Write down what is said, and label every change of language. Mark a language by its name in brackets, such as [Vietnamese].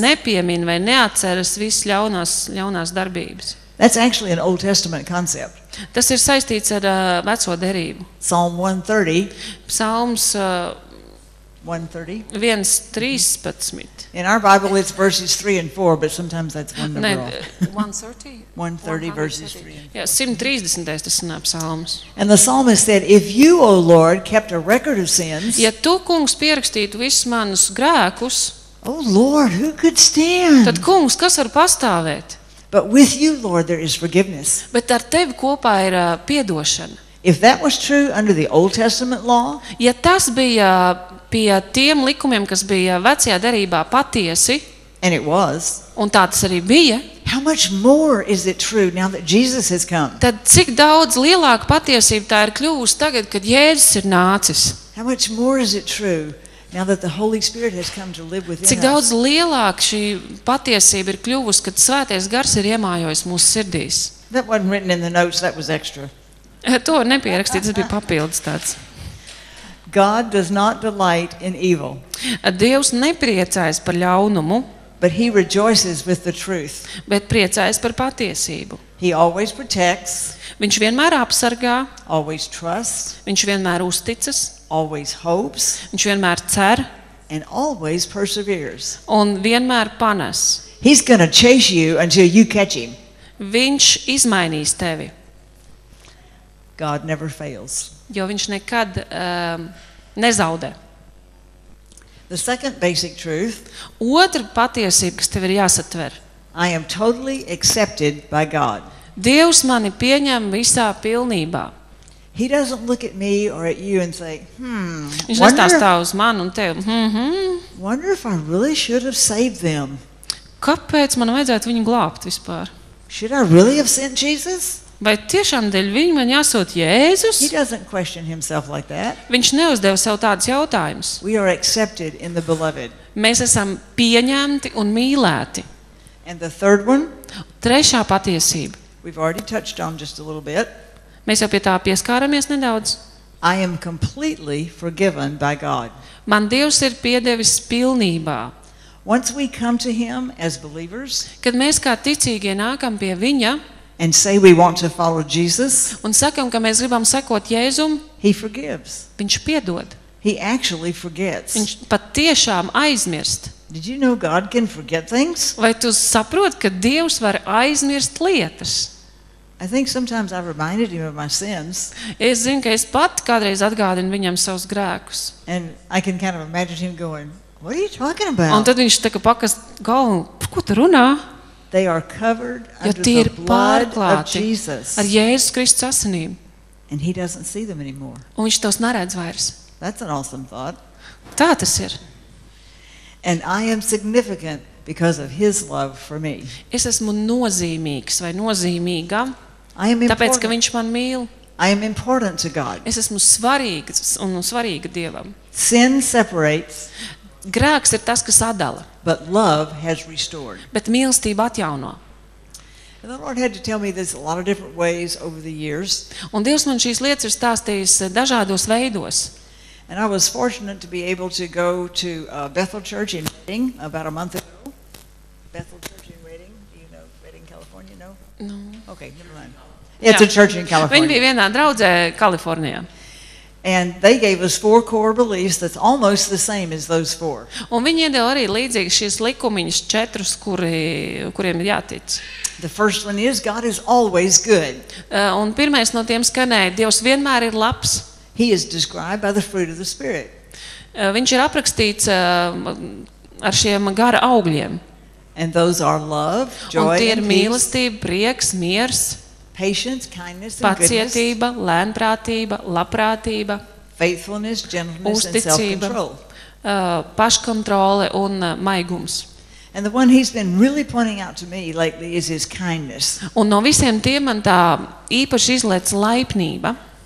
[Latvian] Viņš nepiemin vai neatceras visu ļaunās darbības. [English] That's actually an Old Testament concept. [Latvian] Tas ir saistīts ar veco derību. [English] Psalm 130. [Latvian] Psalms 130. [English] In our Bible it's verses 3 and 4, but sometimes that's one number. [Latvian] Ne, 130 [English] verses 3. [Latvian] Ja, 130. Tas ir psalms. [English] And the psalmist said, if you, O Lord, kept a record of sins. [Latvian] Ja tu, Kungs, pierakstītu visus manus grēkus. [English] Oh Lord, who could stand? [Latvian] Tad Kungs, kas var pastāvēt? [English] But with you, Lord, there is forgiveness. [Latvian] Bet ar tevi kopā ir piedošana. [English] If that was true under the Old Testament law, [Latvian] ja tas bija pie tiem likumiem, kas bija vecajā derībā patiesi, [English] and it was, [Latvian] un tā tas arī bija, [English] how much more is it true now that Jesus has come? [Latvian] Tad cik daudz lielāka patiesība tā ir kļuvusi tagad, kad Jēzus ir nācis? [English] How much more is it true now that the Holy Spirit has come to live within us? [Latvian] Cik daudz lielāka šī patiesība ir kļuvusi, kad Svētais Gars ir iemājojis mūsu sirdīs? [English] That wasn't written in the notes, that was extra. [Latvian] To nepierakstīt, tas bija papildus tāds. [English] God does not delight in evil. [Latvian] Dievs nepriecājas par ļaunumu. [English] But he rejoices with the truth. [Latvian] Bet priecājas par patiesību. [English] He always protects. [Latvian] Viņš vienmēr apsargā. [English] Always trusts. [Latvian] Viņš vienmēr uzticas. [English] Always hopes. [Latvian] Viņš vienmēr cer. [English] And always perseveres. [Latvian] Un vienmēr panas. [English] He's going to chase you until you catch him. [Latvian] Viņš izmainīs tevi. [English] God never fails. [Latvian] Jo viņš nekad nezaudē. [English] The second basic truth. [Latvian] Otra patiesība, kas tev ir jāsatver. [English] I am totally accepted by God. [Latvian] Dievs mani pieņem visā pilnībā. [English] He doesn't look at me or at you and say, [Latvian] Viņš nestāstā uz mani un tevi. [English] Wonder if I really should have saved them. [Latvian] Kāpēc man vajadzētu viņu glābt vispār? [English] Should I really have sent Jesus? [Latvian] Vai tiešām dēļ viņu man jāsūt Jēzus? [English] He doesn't question himself like that. [Latvian] Viņš neuzdeva sev tādus jautājumus. [English] We are accepted in the beloved. [Latvian] Mēs esam pieņemti un mīlēti. [English] And the third one? [Latvian] Trešā patiesība. [English] We've already touched on just a little bit. [Latvian] Mēs jau pie tā pieskāramies nedaudz. [English] I am completely forgiven by God. [Latvian] Man Dievs ir piedevis pilnībā. [English] Once we come to him as believers, [Latvian] kad mēs kā ticīgie nākam pie viņa, [English] and say we want to follow Jesus, [Latvian] un sakam, ka mēs gribam sekot Jēzum, [English] he forgives. [Latvian] Viņš piedod. [English] He actually forgets. [Latvian] Viņš patiešām aizmirst. [English] Did you know God can forget things? [Latvian] Vai tu saproti, ka Dievs var aizmirst lietas? [English] I think sometimes I reminded him of my sins. [Latvian] Es zinu, ka es pat kādreiz atgādinu viņam savus grēkus. [English] And I can kind of imagine him going, "What are you talking about?" [Latvian] Un tad viņš tā kā pakas galvu, "Par ko tu runā?" [English] They are covered under the blood of Jesus. [Latvian] Ar Jēzus Kristus asinīm. [English] And he doesn't see them anymore. [Latvian] Un viņš tos neredz vairs. [English] That's an awesome thought. [Latvian] Tā tas ir. [English] And I am significant because of his love for me. [Latvian] Es esmu nozīmīgs vai nozīmīga. [English] I am important. [Latvian] Tāpēc, ka viņš man mīl. [English] I am important to God. [Latvian] Es esmu svarīgs un svarīga Dievam. [English] Sin separates. [Latvian] Grēks ir tas, kas atdala. [English] But love has restored. [Latvian] Bet mīlestība atjauno. [English] And the Lord had to tell me this a lot of different ways over the years. [Latvian] Un Dievs man šīs lietas ir stāstījis dažādos veidos. [English] And I was fortunate to be able to go to Bethel Church in Redding about a month ago. Bethel Church in Redding, do you know Redding, California? No. No. Okay, never mind. It's a church in California. [Latvian] Viņi bija vienā draudzē Kalifornijā. [English] And they gave us four core beliefs that's almost the same as those four. [Latvian] Un viņi iedeva arī līdzīgi šīs likumiņas četrus, kuriem ir jātic. [English] The first one is God is always good. [Latvian] Un pirmais no tiem skanēja, Dievs vienmēr ir labs. [English] He is described by the fruit of the Spirit. [Latvian] Viņš ir aprakstīts ar šiem gara augļiem. [English] And those are love, joy, [Latvian] un tie ir mīlestība, prieks, miers, [English] patience, kindness, [Latvian] pacietība, lēnprātība, labprātība, [English] faithfulness, gentleness, [Latvian] uzticība, [English] and self-control. [Latvian] Paškontrole un maigums. [English] And the one he's been really pointing out to me lately is his kindness. [Latvian] Un no visiem tiem man tā īpaši izliec laipnība.